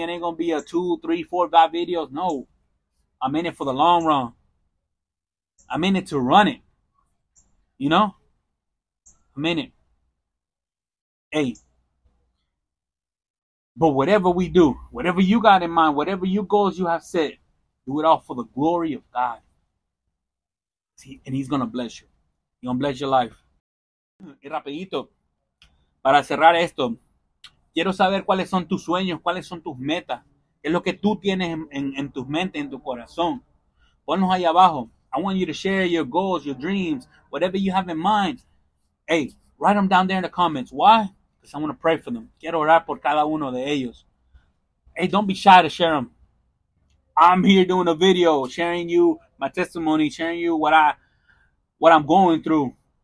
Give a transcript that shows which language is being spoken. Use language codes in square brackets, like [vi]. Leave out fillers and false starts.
[en] It ain't going to be a 2, 3, 4, 5 videos. No. I'm in it for the long run. I'm in it to run it. You know? I'm in it. Hey. But whatever we do, whatever you got in mind, whatever your goals you have set, do it all for the glory of God. See, and He's going to bless you. He's going to bless your life. [es] Y rapidito, para cerrar esto, quiero saber cuáles son tus sueños, cuáles son tus metas. ¿Qué es lo que tú tienes en tu mente, en tu corazón? Ponlos ahí abajo. [en] I want you to share your goals, your dreams, whatever you have in mind. Hey, write them down there in the comments. Why? Because I want to pray for them. [es] Quiero orar por cada uno de ellos. [en] Hey, don't be shy to share them. I'm here doing a video, sharing you my testimony, sharing you what I'm going through.